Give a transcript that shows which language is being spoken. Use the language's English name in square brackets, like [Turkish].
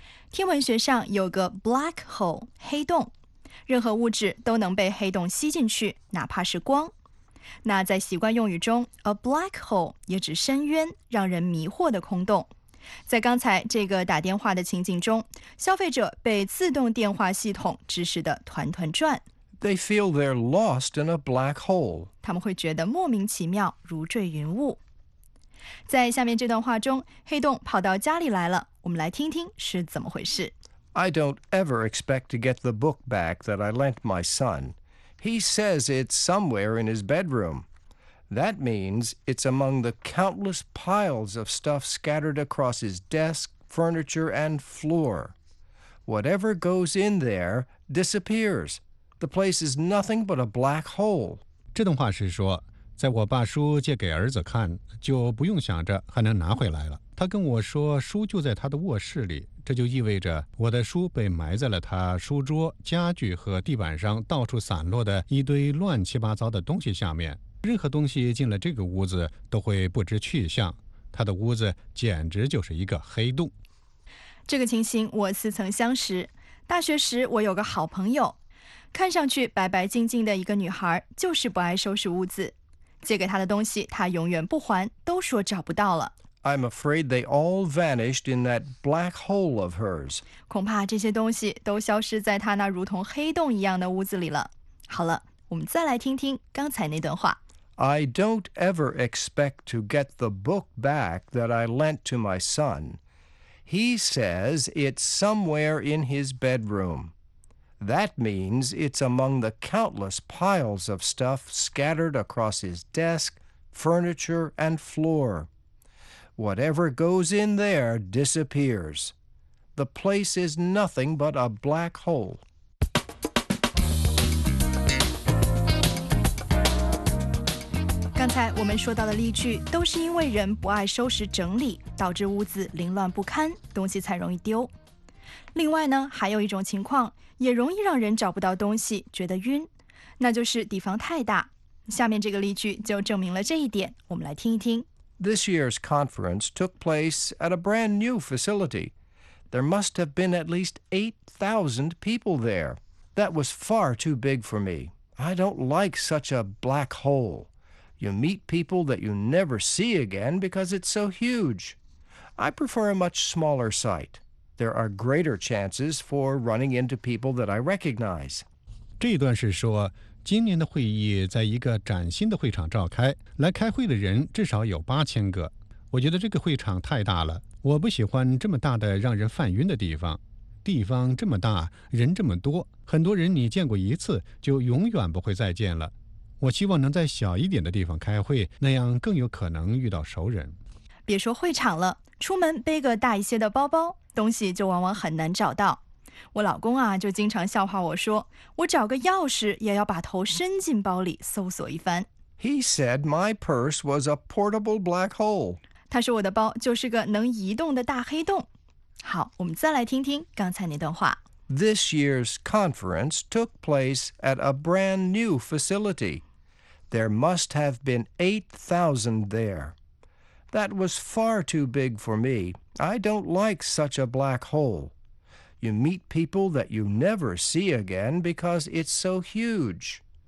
[Chinese] 天文学上有个 black hole, 黑洞，任何物质都能被黑洞吸进去，哪怕是光。那在习惯用语中 ,A black hole 也指深渊，让人迷惑的空洞。在刚才这个打电话的情景中，消费者被自动电话系统指使得团团转。 [English] They feel they're lost in a black hole. [Chinese] 他们会觉得莫名其妙，如坠云雾。在下面这段话中，黑洞跑到家里来了，我们来听听是怎么回事。 [English] I don't ever expect to get the book back that I lent my son. He says it's somewhere in his bedroom. That means it's among the countless piles of stuff scattered across his desk, furniture, and floor. Whatever goes in there disappears. The place is nothing but a black hole. [Chinese] 这段话是说，在我把书借给儿子看，就不用想着还能拿回来了。他跟我说书就在他的卧室里，这就意味着我的书被埋在了他书桌、家具和地板上到处散落的一堆乱七八糟的东西下面。任何东西进了这个屋子都会不知去向，他的屋子简直就是一个黑洞。这个情形我似曾相识，大学时我有个好朋友，看上去白白净净的一个女孩，就是不爱收拾屋子，借给她的东西她永远不还，都说找不到了。 [English] I'm afraid they all vanished in that black hole of hers. [Chinese] 恐怕这些东西都消失在她那如同黑洞一样的屋子里了。好了，我们再来听听刚才那段话。 [English] I don't ever expect to get the book back that I lent to my son. He says it's somewhere in his bedroom. That means it's among the countless piles of stuff scattered across his desk, furniture, and floor. Whatever goes in there disappears. The place is nothing but a black hole. [Chinese] 刚才我们说到的例句都是因为人不爱收拾整理，导致屋子凌乱不堪，东西才容易丢。另外呢，还有一种情况也容易让人找不到东西觉得晕，那就是地方太大。下面这个例句就证明了这一点，我们来听一听。 [English] This year's conference took place at a brand new facility. There must have been at least 8,000 people there. That was far too big for me. I don't like such a black holeYou meet people that you never see again because it's so huge. I prefer a much smaller site. There are greater chances for running into people that I recognize. [Chinese] 这段是说，今年的会议在一个崭新的会场召开，来开会的人至少有8000个。我觉得这个会场太大了，我不喜欢这么大的让人犯晕的地方。地方这么大，人这么多，很多人你见过一次就永远不会再见了。我希望能在小一点的地方开会，那样更有可能遇到熟人。别说会场了，出门背个大一些的包包，东西就往往很难找到。我老公啊，就经常笑话我说，我找个钥匙也要把头伸进包里搜索一番。 [English] He said my purse was a portable black hole. [Chinese] 他说我的包就是个能移动的大黑洞。好，我们再来听听刚才那段话。 [English] This year's conference took place at a brand new facility. There must have been 8,000 there. That was far too big for me. I don't like such a black hole. You meet people that you never see again because it's so huge.